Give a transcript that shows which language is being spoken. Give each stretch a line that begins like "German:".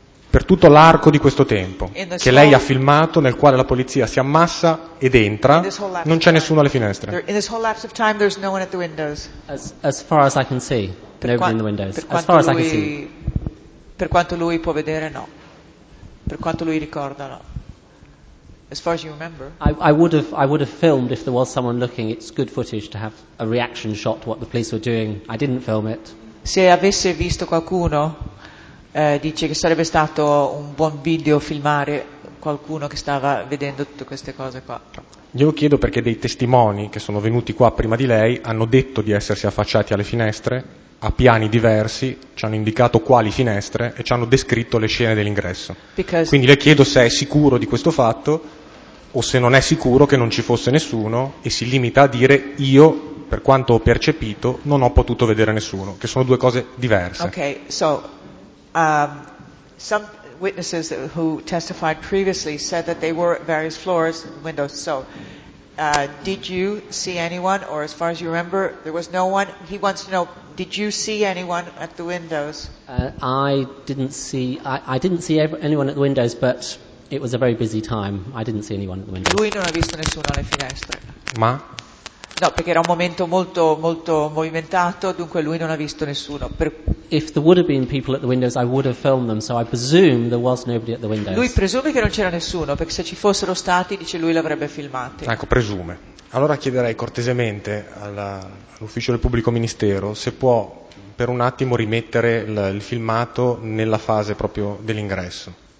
Italian: Per tutto l'arco di questo tempo che lei ha filmato, nel quale la polizia si ammassa ed entra, non c'è nessuno alle finestre.
English: In this whole lapse of time there's no one at the windows. As far as I can see, nobody in the windows. As far as I can see.
Italian: Per quanto lui può vedere, no. Per quanto lui ricorda, no.
English: As far as you remember, I would have filmed if there was someone looking. It's good footage to have a reaction shot to what the police were doing. I didn't film it.
Italian: Se avesse visto qualcuno, dice che sarebbe stato un buon video filmare qualcuno che stava vedendo tutte queste cose qua. Glielo chiedo perché dei testimoni che sono venuti qua prima di lei hanno detto di essersi affacciati alle finestre a piani diversi, ci hanno indicato quali finestre e ci hanno descritto le scene dell'ingresso.
English: Because
Italian: quindi le chiedo se è sicuro di questo fatto o se non è sicuro che non ci fosse nessuno e si limita a dire io, per quanto ho percepito, non ho potuto vedere nessuno, che sono due cose diverse.
English: Ok, so some witnesses who testified previously said that they were at various floors and windows. So did you see anyone, or as far as you remember there was no one? He wants to know, did you see anyone at the windows? I didn't see anyone at the windows, but it was a very busy time. I didn't see anyone at the windows.
Italian: Lui non ha visto nessuno alle finestre. Ma? No, perché era un momento molto molto movimentato, dunque lui non ha visto nessuno.
English: If there would have been people at the windows, I would have filmed them, so I presume there was nobody at the windows.
Italian: Lui presume che non c'era nessuno, perché se ci fossero stati, dice, lui l'avrebbe filmato. Ecco, presume. Allora chiederei cortesemente all'ufficio del pubblico ministero se può per un attimo rimettere il filmato nella fase proprio dell'ingresso.